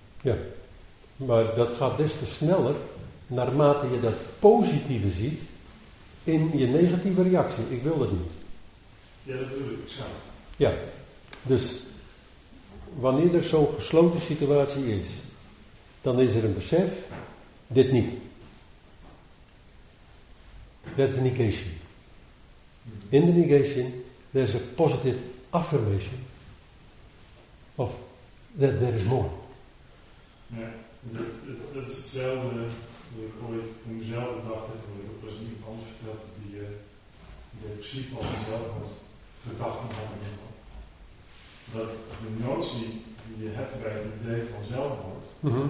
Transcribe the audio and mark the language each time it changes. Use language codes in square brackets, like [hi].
[nl] Ja, maar dat gaat des te sneller naarmate je dat positieve ziet in je negatieve reactie. Ik wil dat niet. Ja, dat bedoel ik zo. Ja, dus. Wanneer er zo'n gesloten situatie is, dan is er een besef, dit niet. [en] That's a negation. In the negation, there's a positive affirmation of that there is more. [nl] Ja, dat is hetzelfde, toen ik zelf bedacht heb, dat was niet anders verteld, dat die depressief was en zelf had gedacht van dat de notie die je hebt bij het idee van zelfmoord, mm-hmm.